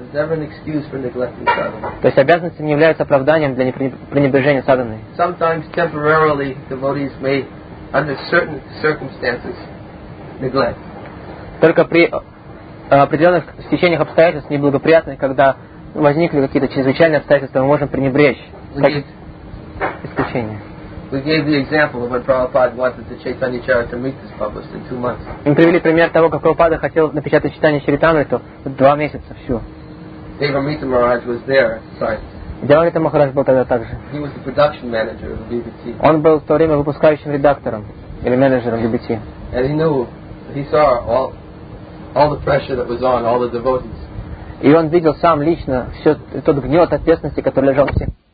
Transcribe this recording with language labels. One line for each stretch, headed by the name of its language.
Russian: То есть обязанности не являются оправданием для пренебрежения садханы.
English: Sometimes temporarily devotees may, under certain circumstances, neglect.
Russian: Только при определенных стечениях обстоятельств неблагоприятных, когда возникли какие-то чрезвычайные обстоятельства, мы можем пренебречь. Исключение.
English: We gave the example of when Prabhupada wanted the Chaitanya Charitamrita published in 2 months.
Russian: Мы привели пример того, как Прабхупада хотел напечатать Чайтанья Чаритамриту в 2 месяца, всю.
English: Devamrita Maharaj was there at the site.
Russian: Девамрита Махарадж был тогда также.
English: He was the production manager of BBC.
Russian: Он был в то время выпускающим редактором или менеджером BBC.
English: And he knew, he saw all the pressure that was on all the devotees.
Russian: И он видел сам лично все тот гнет ответственности, который лежал на всех.